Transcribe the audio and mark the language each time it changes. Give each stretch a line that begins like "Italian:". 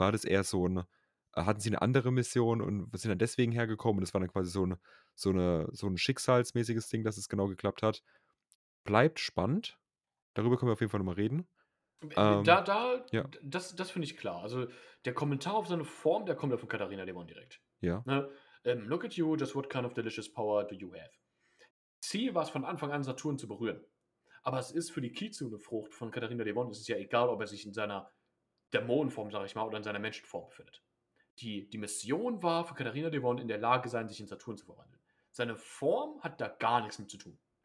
German: War das eher so ein, hatten sie eine andere Mission und sind dann deswegen hergekommen und es war dann quasi so ein schicksalsmäßiges Ding, dass es genau geklappt hat. Bleibt spannend. Darüber können wir auf jeden Fall nochmal reden. Ja. Das finde ich klar. Also der Kommentar auf seine Form, der kommt ja von Katharina Devon direkt. Ja. Ne?
English: Look at you, just what kind of delicious power do you have?
German: Ziel war es von Anfang an, Saturn zu berühren. Aber es ist für die Kizune-Frucht von Katharina Devon, es ist ja egal, ob er sich in seiner Dämonenform, sag ich mal, oder in seiner Menschenform befindet. Die Mission war für Katharina Devon in der Lage sein, sich in Saturn zu verwandeln. Seine Form hat da gar nichts mit zu tun.